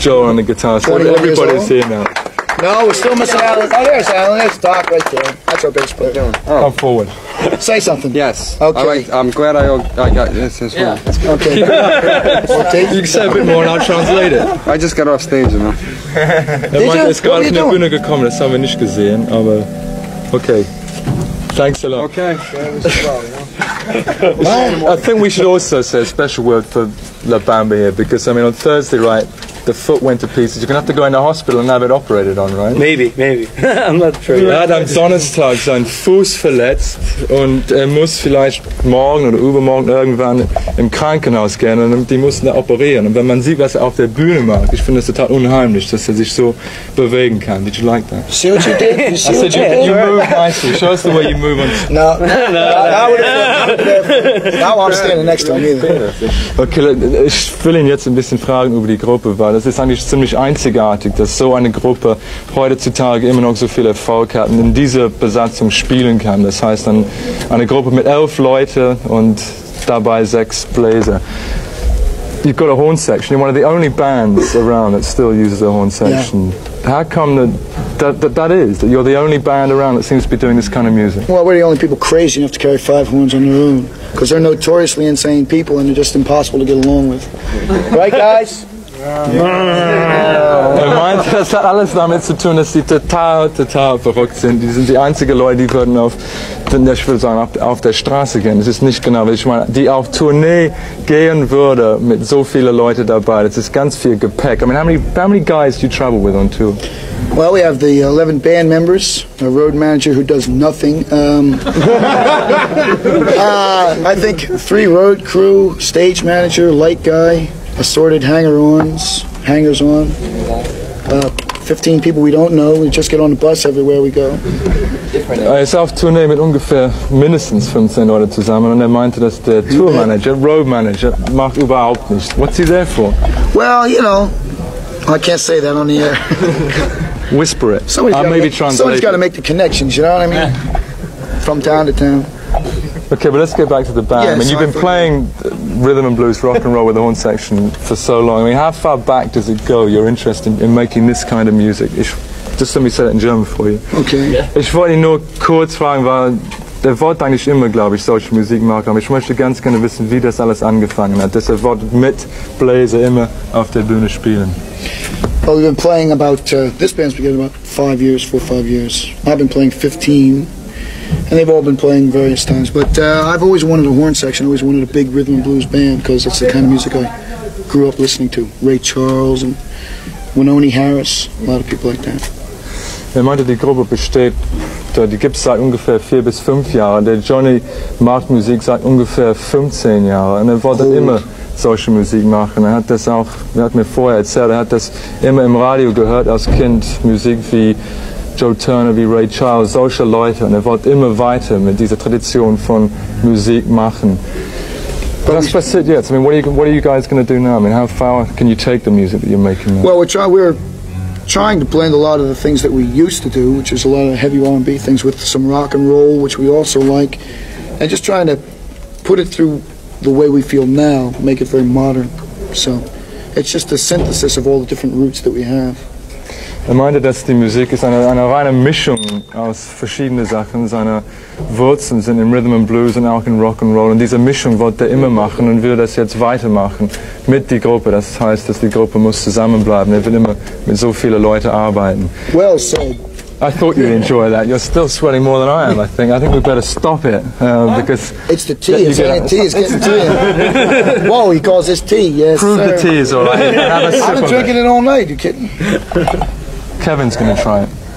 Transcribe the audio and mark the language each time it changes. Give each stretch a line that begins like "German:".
English: Joel on the guitar. So everybody's here now. No, we're still missing Alan. Oh, there's Alan. There's Doc right there. That's our bass player. Oh. Come forward. Say something. Yes. Okay. Right. I'm glad I got this as well. Okay. You can say a bit more and I'll translate it. I just got off stage, you know. Did you? What are you doing?
German: Gekommen, das haben wir nicht gesehen, aber okay.
English: Thanks a lot. Okay. I think we should also say a special word for La Bamba here, because, I mean, on Thursday, right, the foot went to pieces. You're going to have to go in the hospital and have it operated on, right? Maybe. I'm not sure.
German: Er hat am Donnerstag seinen Fuß verletzt und er muss vielleicht morgen oder übermorgen irgendwann im Krankenhaus gehen und die mussten da operieren. Und wenn man sieht, was er auf der Bühne macht, ich finde es total unheimlich, dass er sich so bewegen kann.
English: Did you like that? See what you did? You see I said, you move nicely. Show us the way you move on. No. I'm standing next to him either.
German: Okay, ich will ihn jetzt ein bisschen fragen über die Gruppe, weil das ist eigentlich ziemlich einzigartig, dass so eine Gruppe heutzutage immer noch so viel Erfolg hat und in dieser Besatzung spielen kann. Das heißt dann eine Gruppe mit 11 Leuten und dabei 6 Bläser.
English: You've got a horn section. You're one of the only bands around that still uses a horn section. Yeah. How come that is? That you're the only band around that seems to be doing this kind of music? Well, we're the only people crazy enough to carry 5 horns on their own, because they're notoriously insane people and they're just impossible to get along with. Right, guys?
German: Er meinte, das hat alles damit zu tun, dass die total verrückt sind. Die sind die einzigen Leute, die würden auf, ich würde sagen, auf der Straße gehen. Das ist nicht genau, was ich meine. Die auf Tournee gehen würde mit so vielen Leuten dabei. Das ist ganz viel Gepäck.
English: I mean, how many guys do you travel with on tour? Well, we have the 11 band members, a road manager who does nothing. I think 3 road crew, stage manager, light guy, assorted hangers-on. 15 people we don't know, we just get on the bus everywhere we go.
German: Er ist auf Tournee mit ungefähr mindestens 15 Leute zusammen und er meinte, dass der Tourmanager, Road Manager, macht überhaupt nichts.
English: What's he there for? Well, you know, I can't say that on the air. Whisper it. Someone's got to make the connections, you know what I mean? From town to town. Okay, but let's get back to the band. Yeah, I mean, you've been playing rhythm and blues, rock and roll with the horn section for so long. I mean, how far back does it go, your interest in making this kind of music? Just let me say it in German for you. Okay. Yeah.
German: Ich wollte nur kurz fragen, weil der wollte eigentlich immer, glaube ich, solche Musik machen, aber ich möchte ganz gerne wissen, wie das alles angefangen hat, dass er wollte mit Bläser immer auf der Bühne spielen.
English: Well, we've been playing about, this band's been about 5 years, 4 or 5 years. I've been playing 15. And they've all been playing various times, but I've always wanted a horn section, always wanted a big rhythm and blues band, because it's the kind of music I grew up listening to. Ray Charles and Winoni Harris, a lot of people like that.
German: Er meinte, die Gruppe besteht, die gibt es seit ungefähr 4 bis 5 Jahren. Der Johnny macht Musik seit ungefähr 15 Jahren und er wollte immer solche Musik machen. Er hat das auch, er hat mir vorher erzählt, er hat das immer im Radio gehört als Kind, Musik wie Joe Turner, wie Ray Charles, solche Leute, und er wollte immer weiter mit dieser Tradition von Musik machen. Was passiert jetzt?
English: I mean, what are you guys going to do now? I mean, how far can you take the music that you're making now? Well, we're trying to blend a lot of the things that we used to do, which is a lot of heavy R&B things, with some rock and roll, which we also like, and just trying to put it through the way we feel now, make it very modern. So, it's just a synthesis of all the different roots that we have.
German: Er meinte, dass die Musik ist eine reine Mischung aus verschiedenen Sachen. Seine Wurzeln sind in Rhythm and Blues und auch in Rock and Roll. Und diese Mischung wollte er immer machen und will das jetzt weitermachen mit der Gruppe. Das heißt, dass die Gruppe muss zusammenbleiben. Er will immer mit so vielen Leuten arbeiten.
English: Well said. I thought you'd enjoy that. You're still sweating more than I am, I think. I think we better stop it, because... It's the tea, it's getting tea. Whoa, he calls this tea, yes. Prove the tea is all right. I've been drinking it all night, you kidding? Kevin's going to try it.